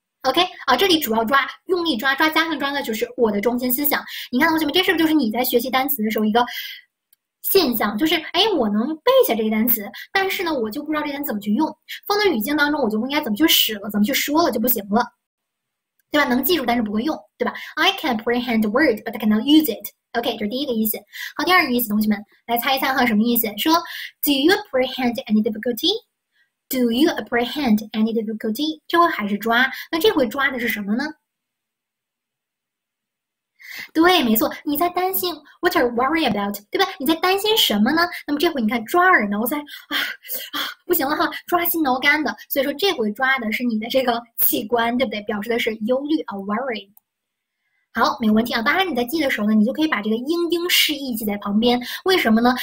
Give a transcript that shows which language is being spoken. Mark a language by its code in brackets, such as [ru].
[zh] OK 啊，这里主要抓用力抓抓加强抓的就是我的中心思想。你看同学们，这是不是就是你在学习单词的时候一个现象？就是哎，我能背下这个单词，但是呢，我就不知道这单词怎么去用。放在语境当中，我就不应该怎么去使了，怎么去说了就不行了，对吧？能记住，但是不会用，对吧？ [en] I can apprehend the word, but I cannot use it. [zh] OK，这是第一个意思。好，第二个意思，同学们来猜一猜哈，什么意思？ [en] 说 Do you apprehend any difficulty？ Do you apprehend any difficulty？ [zh] 这回还是抓，那这回抓的是什么呢？对，没错，你在担心， [en] What are you worry about？ [zh] 对吧？你在担心什么呢？那么这回你看，抓耳挠腮不行了哈，抓心挠肝的。所以说这回抓的是你的这个器官，对不对？表示的是忧虑啊，worry。好，没有问题啊。当然，你在记的时候呢，你就可以把这个英英释义记在旁边。为什么呢？